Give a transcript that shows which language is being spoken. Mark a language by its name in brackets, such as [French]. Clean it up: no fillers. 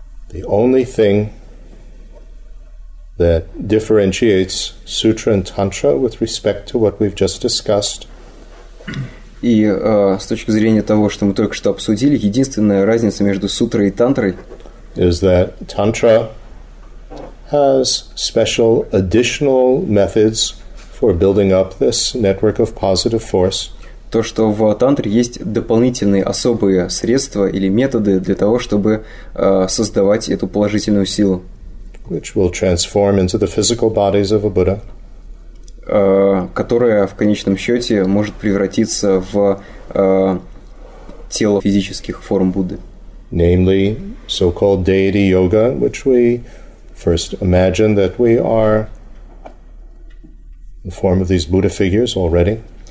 [English] The only thing that differentiates sutra and tantra with respect to what we've just discussed. [Russian] И с точки зрения того, что мы только что обсудили, единственная разница между сутрой и тантрой [English] is that tantra has special additional methods for building up this network of positive force. [Russian] То, что в тантре есть дополнительные особые средства или методы для того, чтобы создавать эту положительную силу. [English] Which will transform into the physical bodies of a Buddha. [Russian] Которая в конечном счете может превратиться в тело физических форм Будды. [English] Namely, so-called deity yoga, which we first imagine that we are in the form of these Buddha figures already.